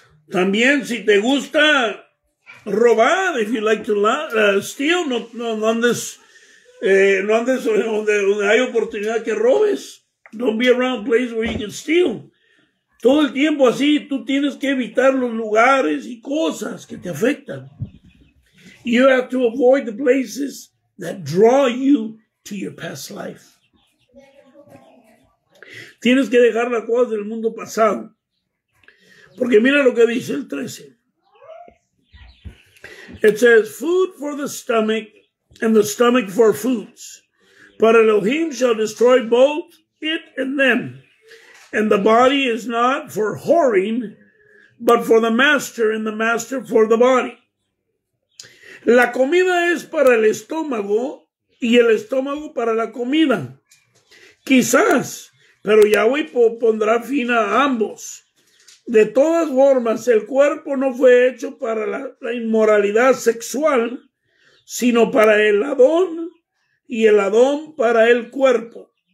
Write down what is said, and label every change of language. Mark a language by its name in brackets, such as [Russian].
[Spanish] También, si te gusta robar, [English] if you like to steal, [Spanish] no andes donde hay oportunidad que robes. [English] Don't be around a place where you can steal. [Spanish] Todo el tiempo así, tú tienes que evitar los lugares y cosas que te afectan. [English] You have to avoid the places that draw you to your past life. [Spanish] Tienes que dejar las cosas del mundo pasado. Porque mira lo que dice el 13. [English] It says, food for the stomach and the stomach for foods. But Elohim shall destroy both it and them. And the body is not for whoring, but for the master, and the master for the body. [Spanish] La comida es para el estómago, y el estómago para la comida. Quizás, pero Yahweh pondrá fin a ambos. De todas formas, el cuerpo no fue hecho para la inmoralidad sexual, sino para el Adón, y el Adón para el cuerpo.